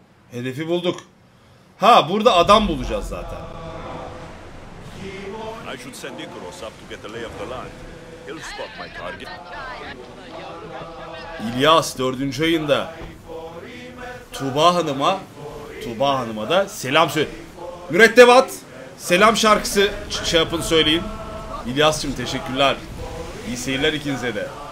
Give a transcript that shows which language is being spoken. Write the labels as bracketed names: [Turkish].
[Turkish] Hedefi bulduk. Ha, burada adam bulacağız zaten. [English] I should send Icarus up to get a lay of the land. He'll spot my target. [Turkish] İlyas 4. ayında Tuba Hanım'a da selam söyle. Mürettebat, selam şarkısı şey yapın söyleyin. İlyas'cığım teşekkürler. İyi seyirler ikinize de.